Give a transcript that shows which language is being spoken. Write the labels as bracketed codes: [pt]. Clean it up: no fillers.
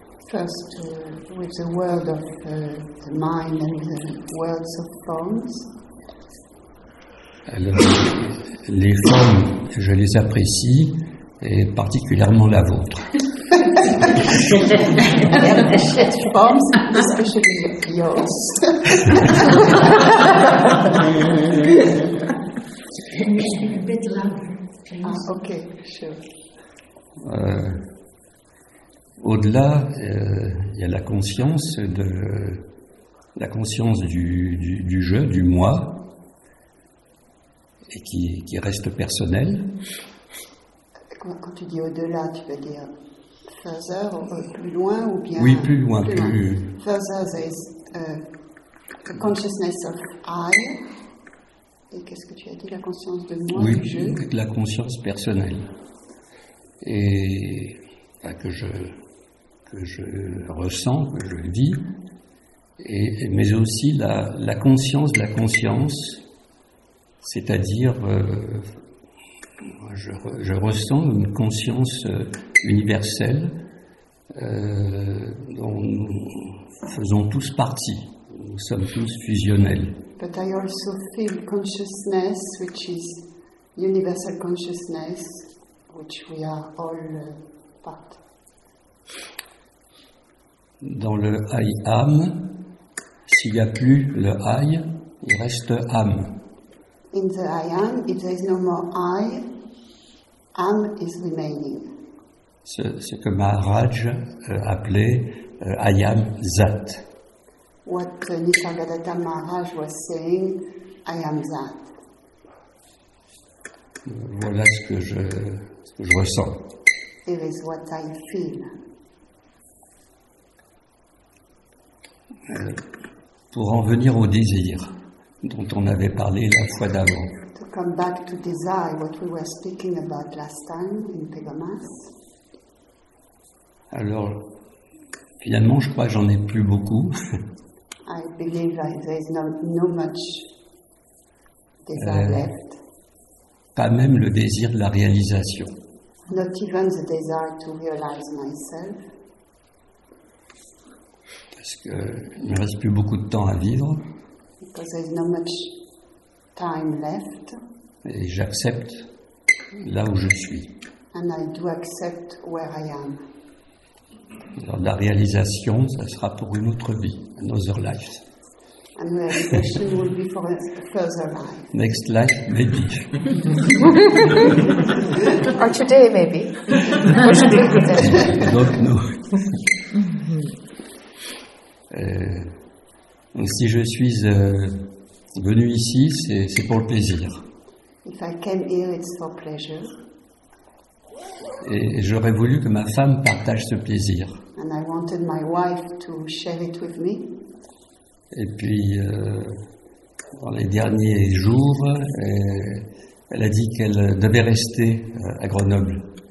[en] First, with the world of the mind and the worlds of forms. [fr] Alors, les formes, je les apprécie, et particulièrement la vôtre. [en] Forms, especially yours. Okay, sure. [fr] Au-delà, il y a la conscience de la conscience du jeu, du moi, et qui reste personnel. Quand tu dis au-delà, tu veux dire further ou plus loin ou bien? Oui, plus loin. Plus [en] further, there's the consciousness of I. [fr] Et qu'est-ce que tu as dit, la conscience de moi, oui, du jeu? De la conscience personnelle. Et ben, que je ressens, que je vis, mais aussi la conscience de la conscience, c'est-à-dire, je ressens une conscience universelle dont nous faisons tous partie, nous sommes tous fusionnels. [en] But I also feel consciousness, which is universal consciousness, which we are all part. [fr] Dans le I am, s'il n'y a plus le I, il reste am. [en] In the I am, if there is no more I, am is remaining. [fr] Ce que Maharaj appelait I am Zat. [en] What Nisargadatta Maharaj was saying, I am that. [fr] Voilà ce que je ressens. [en] It is what I feel. [fr] Pour en venir au désir dont on avait parlé la fois d'avant. [en] To come back to desire, what we were speaking about last time in Pegamas. [fr] Alors, finalement, je crois que j'en ai plus beaucoup. [en] I believe that there is no much desire left. [fr] Pas même le désir de la réalisation. [en] Not even the desire to realize myself. [fr] Parce qu'il ne reste plus beaucoup de temps à vivre. [en] Because there is no much time left. [fr] Et j'accepte là où je suis. [en] And I do accept where I am. [fr] Alors, la réalisation, ça sera pour une autre vie, [en] another life. And the realization will be for a further life. Next life, maybe. Or today, maybe. Or today. [fr] Donc, nous. Si je suis venu ici, c'est pour le plaisir. [en] If I came here, it's for pleasure. [fr] Et j'aurais voulu que ma femme partage ce plaisir. [en] And I wanted my wife to share it with me. [fr] Et puis, dans les derniers jours, elle a dit qu'elle devait rester à Grenoble.